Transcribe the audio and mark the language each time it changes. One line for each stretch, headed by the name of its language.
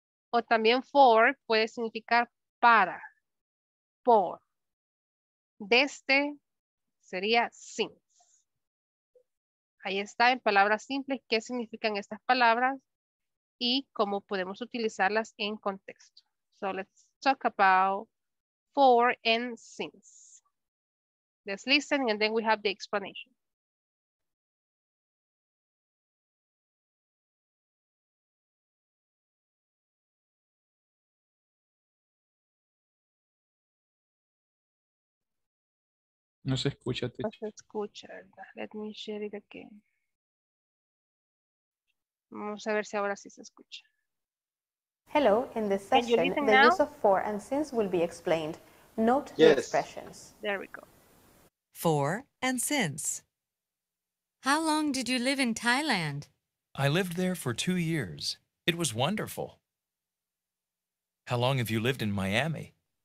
Spanish: O también for puede significar para, por. Desde sería since. Ahí está en palabras simples qué significan estas palabras y cómo podemos utilizarlas en contexto.
English: So let's talk about for and since. Let's listen and then we have the explanation.
Spanish: No se escucha, te. No se escucha, ¿verdad?
English: Let me share it again.
Spanish: Vamos a ver si ahora sí se escucha.
English: Hello, in this session, the use of for and since will be explained. Note the expressions. There we go. For and since. How long did you live in Thailand? I lived there for 2 years. It was wonderful. How long have you lived in Miami?